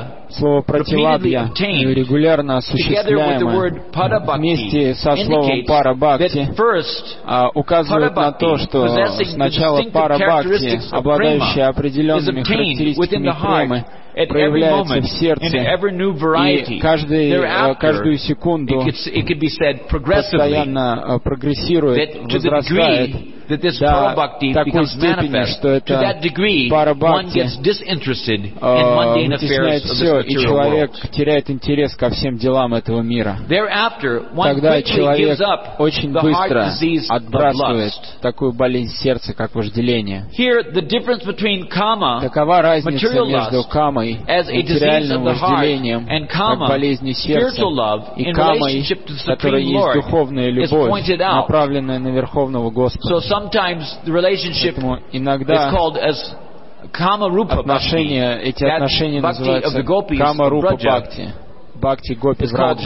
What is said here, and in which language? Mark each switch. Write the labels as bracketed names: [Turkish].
[Russian] Слово пратилабья регулярно осуществляемое вместе со словом парабхакти указывает на то, что сначала парабхакти, обладающая определенными характеристиками премы, проявляется в сердце, и каждую секунду постоянно прогрессирует, возрастает, [English] that this parabhakti becomes manifest, to that degree, one gets disinterested in mundane affairs of this material world. Thereafter, one quickly gives up the heart disease of lust. Here, the difference between kama, material lust, as a disease of the heart, and kama, spiritual love, in relationship to the Supreme Lord, is pointed out. [Russian] Направленная на Верховного Господа. Поэтому иногда отношения, эти отношения называются кама-рупа-бхакти, бхакти гопи в раджи.